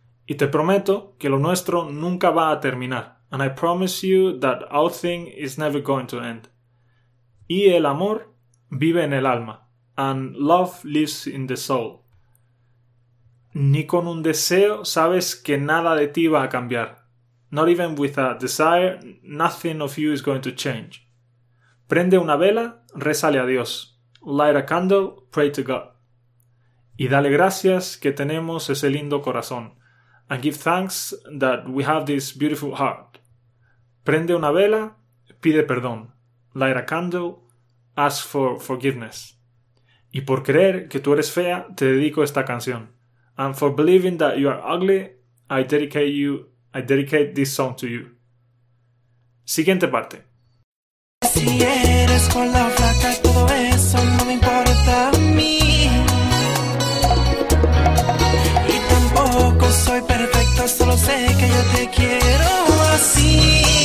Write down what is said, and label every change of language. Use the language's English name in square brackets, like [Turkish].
[Spanish] Y te prometo que lo nuestro nunca va a terminar, [English] and I promise you that our thing is never going to end. [Spanish] Y el amor vive en el alma, [English] and love lives in the soul. [Spanish] Ni con un deseo sabes que nada de ti va a cambiar. [English] Not even with a desire, nothing of you is going to change. [Spanish] Prende una vela, rézale a Dios. [English] Light a candle, pray to God. [Spanish] Y dale gracias que tenemos ese lindo corazón. [English] And give thanks that we have this beautiful heart. [Spanish] Prende una vela, pide perdón. [English] Light a candle, ask for forgiveness. [Spanish] Y por creer que tú eres fea, te dedico esta canción. [English] And for believing that you are ugly, I dedicate this song to you. [Spanish] Siguiente parte. Si eres con la flaca, todo eso no me importa a mí. Y tampoco soy perfecto, solo sé que yo te quiero así.